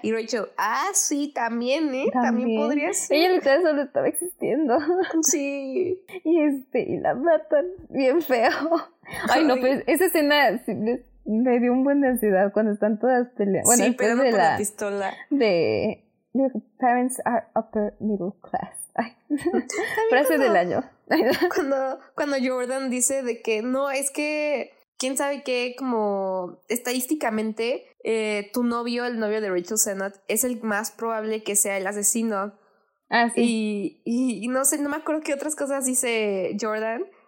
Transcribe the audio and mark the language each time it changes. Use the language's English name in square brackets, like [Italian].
[Spanish] Y Rachel, ah, sí, también podría ser. Ella literal solo estaba existiendo. Sí. Y y la matan bien feo. Ay, no, pero esa escena sí, me dio un buen de ansiedad cuando están todas peleando. Bueno, sí, pero no la pistola. [English] De, your parents are upper middle class. [Spanish] Frase del año. Cuando Jordan dice de que no, es que quién sabe qué, como estadísticamente, tu novio, el novio de Rachel Sennott, es el más probable que sea el asesino. Ah, sí. Y no sé, no me acuerdo qué otras cosas dice Jordan.